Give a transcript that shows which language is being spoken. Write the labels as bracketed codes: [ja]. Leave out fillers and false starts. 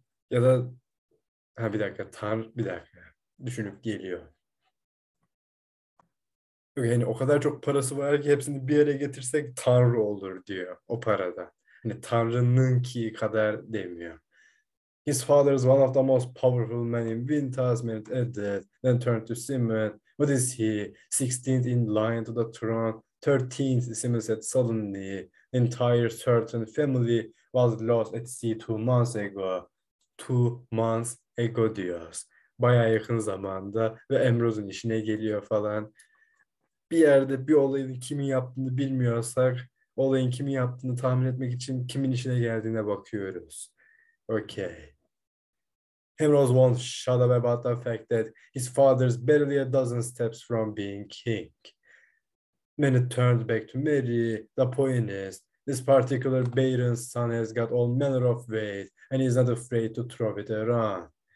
[tr] Ya da ha bir dakika Tanrı bir dakika düşünüp geliyor. Yani o kadar çok parası var ki hepsini bir yere getirsek Tanrı olur diyor o parada. Hani Tanrı'nın ki kadar demiyor. [en] His father is one of the most powerful men in Winter's Men added, then turned to Simon. What is he? 16th in line to the throne. 13th, Simon said suddenly. The entire certain family was lost at sea 2 months ago. 2 months ago [tr] diyoruz. Bayağı yakın zamanda ve Emrose'un işine geliyor falan. Bir yerde bir olayın kimin yaptığını bilmiyorsak, olayın kimin yaptığını tahmin etmek için kimin işine geldiğine bakıyoruz. Okay. [en] Himros won't shut up about the fact that his father's barely a dozen steps from being king. Many turned back to Mary. The point is, this particular baron's son has got all manner of weight and he's not afraid to throw it around.